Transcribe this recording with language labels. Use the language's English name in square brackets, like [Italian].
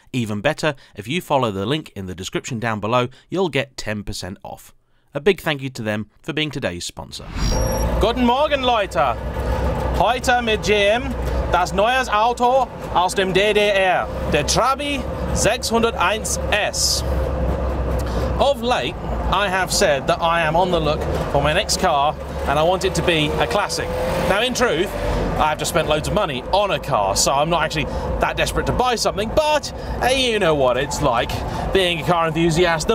[English] Even better, if you follow the link in the description down below, you'll get 10% off. A big thank you to them for being today's sponsor. [German] Guten Morgen, Leute. Heute mit JayEmm das neues Auto aus dem DDR, der Trabi 601S. [English] Of late, I have said that I am on the look for my next car and I want it to be a classic. Now, in truth, I've just spent loads of money on a car, so I'm not actually that desperate to buy something, but you know what it's like being a car enthusiast.